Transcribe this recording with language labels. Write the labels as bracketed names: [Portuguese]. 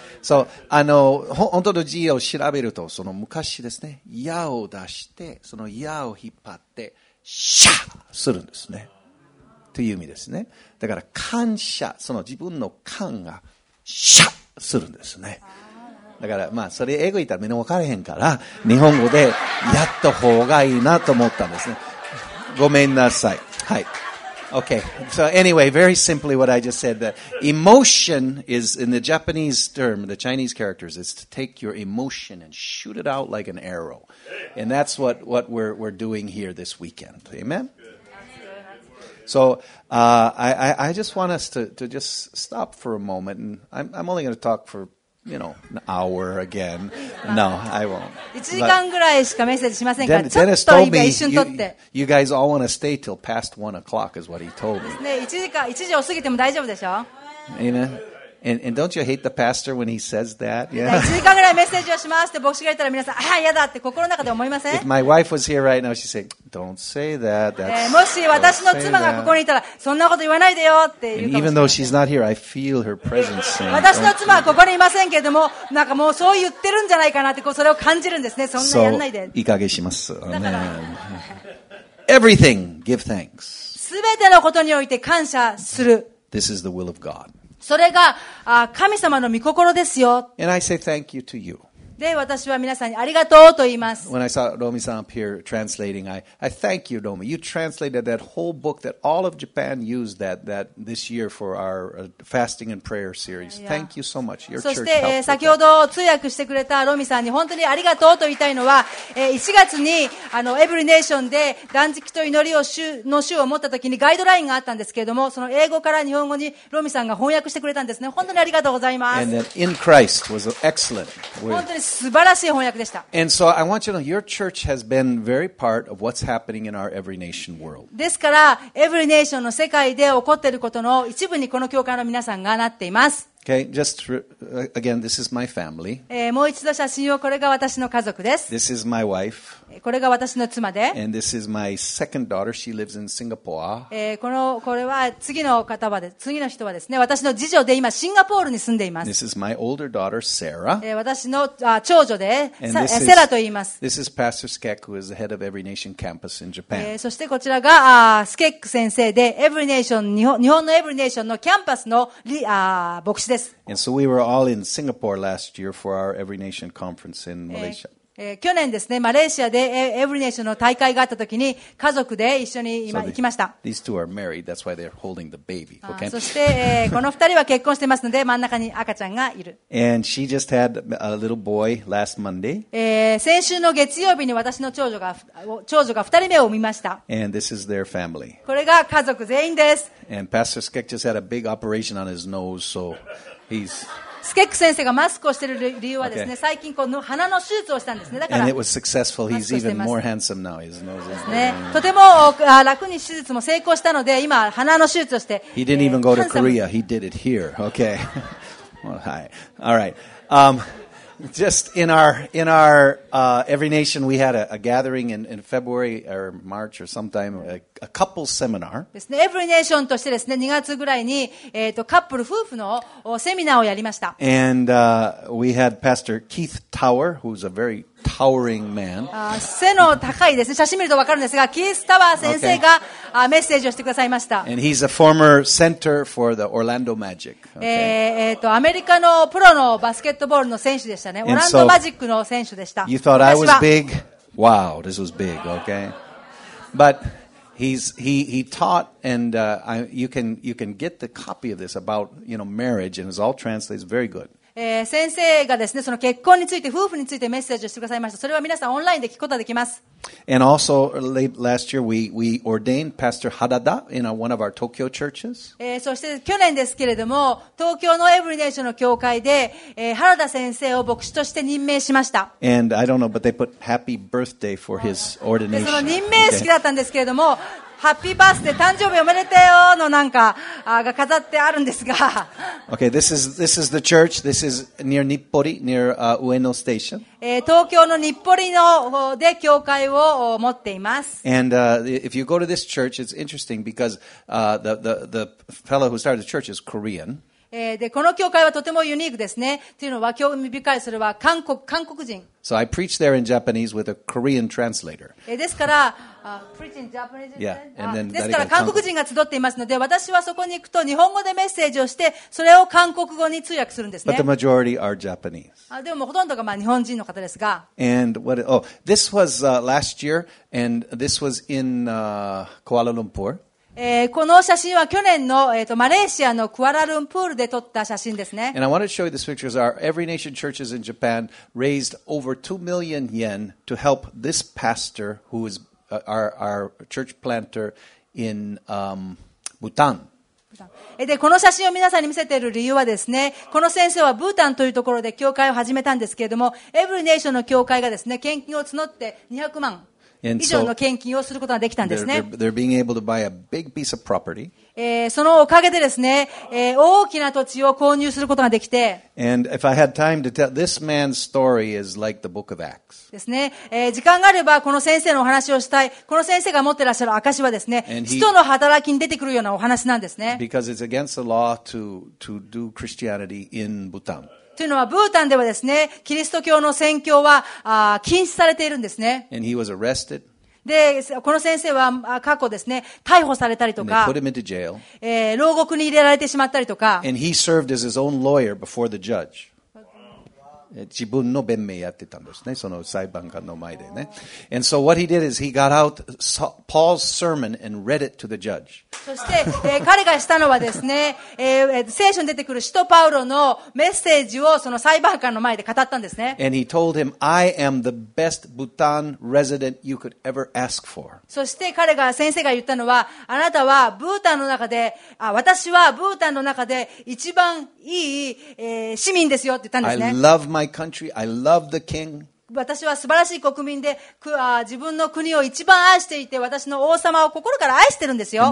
[Japanese] So, あの本当の字を調べるとその昔ですね、矢を出してその矢を引っ張ってシャーするんですね、という意味ですね。だから感謝、その自分の感がシャーするんですね。だからまあそれ英語言ったらみんな分からへんから日本語でやった方がいいなと思ったんですね。ごめんなさい。はい。Okay. [English] So anyway, very simply what I just said, that emotion is in the Japanese term, the Chinese characters, is to take your emotion and shoot it out like an arrow. And that's what we're doing here this weekend. Amen? So, I just want us to just stop for a moment, and I'm only going to talk for,You know, an hour again. No, I won't. [Japanese] 1時間ぐらいしかメッセージしませんから、ちょっと一瞬取って。 [English] You guys all want to stay till past 1 o'clock is what he told me. [Japanese] ね、1時を過ぎても大丈夫でしょ。 [English] Amen. And don't you hate the pastor when he says that? Yeah. [Japanese] 1時間ぐらいメッセージをしますって牧師が言ったら皆さん、ああ、嫌だって心の中で思いません？ [English] If my wife was here right now, she'd say, don't say that. That's, [Japanese] もし私の妻がここにいたら、そんなこと言わないでよって言うかもしれない。 [English] She's not here, I feel her presence saying, [Japanese] 私の妻はここにいませんけれども、なんかもうそう言ってるんじゃないかなって、こうそれを感じるんですね。そんなやんないで。 [English] So, [Japanese] いい加減します。 [English] Amen. Everything, give thanks. [Japanese] 全てのことにおいて感謝する。 [English] This is the will of God. [Japanese] それが神様の御心ですよ。 [English] And I say thank you to you. [Japanese] で、私は皆さんにありがとうと言います。 [English] When I saw Romi さん up here translating, I thank you, Romi. You translated that whole book that all of Japan used that this year for our fasting and prayer series. Thank you so much. Your church helped. [Japanese] そして先ほど通訳してくれたロミさんに本当にありがとうと言いたいのは、1月にエブリネーションで断食と祈りを週の週を持った時にガイドラインがあったんですけれども、その英語から日本語にロミさんが翻訳してくれたんですね。本当にありがとうございます。 [English] And that in Christ was excellent. [Japanese] 素晴らしい翻訳でした。 [English] And so I want you to know, your church has been very part of what's happening in our every nation world. [Japanese] ですから、every nationの世界で起こっていることの一部にこの教会の皆さんがなっています。 [English] Okay, just again, this is my family. [Japanese] もう一度写真を、これが私の家族です。 [English] This is my wife. [Japanese] これが私の妻で。 [English] And this is my second daughter. She lives in Singapore. [Japanese] これは次の方はです。次の人はですね、私の次女で今シンガポールに住んでいます。 [English] This is my older daughter, Sarah. [Japanese] 私の長女で、セラと言います。 [English] This is Pastor Skek, who is the head of Every Nation Campus in Japan. [Japanese] そしてこちらがスケック先生で、Every Nation 日本のEvery Nationのキャンパスの牧師。 [English] And so we were all in Singapore last year for our Every Nation conference in Malaysia. [Japanese] 去年ですね、マレーシアでEvery Nationの大会があったときに家族で一緒に今行きました。 [English] These two are married. That's why they're holding the baby. Okay. [Japanese] そして、この二人は結婚してますので真ん中に赤ちゃんがいる。 [English] And she just had a little boy last Monday. [Japanese] 先週の月曜日に私の長女が二人目を産みました。 [English] And this is their family. [Japanese] これが家族全員です。 [English] And Pastor Skek just had a big operation on his nose, so he's [Japanese] スケック先生がマスクをしている理由はですね、最近この鼻の手術をしたんですね。だから、 [English] And it was successful. He's even more handsome now. His nose is [Japanese] ね、とても楽に手術も成功したので、今鼻の手術をして。 [English] He didn't even go to Korea. He did it here. Okay. Well, hi. All right. Just in our Every Nation, we had a gathering in February or March or sometime, a couple seminar. [Japanese] ですね、Every Nationとしてですね、2月ぐらいに、カップル夫婦のセミナーをやりました。 [English] And we had Pastor Keith Tower, who's a very towering man. [Japanese] 背の高いですね。写真見ると分かるんですが、キース・タワー先生が、okay. メッセージをしてくださいました。 [English] And he's a former center for the Orlando Magic. [Japanese] アメリカのプロのバスケットボールの選手でしたね。オランドマジックの選手でした。 [English] You thought I was big? Wow, this was big, okay? But... He taught, and you can get the copy of this about, you know, marriage, and it's all translated. It's very good. [Japanese] 先生がですね、その結婚について、夫婦についてメッセージをしてくださいました。それは皆さんオンラインで聞くことができます。 [English] And also, late last year, we ordained Pastor Harada in one of our Tokyo churches. [Japanese] そして去年ですけれども、東京のエブリデーションの教会で、原田先生を牧師として任命しました。 [English] And I don't know, but they put happy birthday for his ordination. [Japanese] その任命式だったんですけれども、ハッピーバースデー、誕生日おめでとうのなんかが飾ってあるんですが。 [English] Okay, this is the church. This is near Nippori, near Ueno Station. [Japanese] 東京の日暮里ので教会を持っています。 [English] And if you go to this church, it's interesting because the fellow who started the church is Korean. [Japanese] でこの教会はとてもユニークですね。というのは興味深い、それは韓国人。 [English] So I preach there in Japanese with a Korean translator. [Japanese] ですから、 [English] preach in Japanese? Yeah. And then [Japanese] ですから、韓国人が集っていますので、私はそこに行くと日本語でメッセージをして、それを韓国語に通訳するんですね。 [English] But the majority are Japanese. [Japanese] でもほとんどがまあ日本人の方ですが。 [English] And what, oh, this was last year, and this was in Kuala Lumpur. [Japanese] この写真は去年の、マレーシアのクアラルンプールで撮った写真ですね。 [English] And I wanted to show you this picture. Our Every Nation churches in Japan raised over 2 million yen to help this pastor who is our church planter in Bhutan. [Japanese] でこの写真を皆さんに見せている理由はですね、この先生はブータンというところで教会を始めたんですけれども、エブリネーションの教会がですね、献金を募って200万以上の献金をすることができたんですね。そのおかげでですね、大きな土地を購入することができて、 [English] And if I had time to tell, this man's story is like the book of Acts. [Japanese] ですね、時間があればこの先生のお話をしたい。この先生が持ってらっしゃる証はですね、使徒の働きに出てくるようなお話なんですね。 [English] Because it's against the law to do Christianity in Bhutan. [Japanese] というのはブータンではですね、キリスト教の宣教は禁止されているんですね。 [English] And he was arrested. [Japanese] で、この先生は過去ですね、逮捕されたりとか、 [English] And they put him into jail. [Japanese] 牢獄に入れられてしまったりとか。 [English] And he served as his own lawyer before the judge. [Japanese] 自分の弁明やってたんですね、その裁判官の前でね。 [English] And so what he did is he got out Paul's sermon and read it to the judge. [Japanese] そして、彼がしたのはですね、聖書に出てくる使徒パウロのメッセージをその裁判官の前で語ったんですね。 [English] And he told him, I am the best Bhutan resident you could ever ask for. [Japanese] そして彼が、先生が言ったのは、あなたはブータンの中で、私はブータンの中で一番いい、市民ですよって言ったんですね。 [English] I love my country. I love the king. [Japanese] 私は素晴らしい国民で、自分の国を一番愛していて、私の王様を心から愛してるんですよ。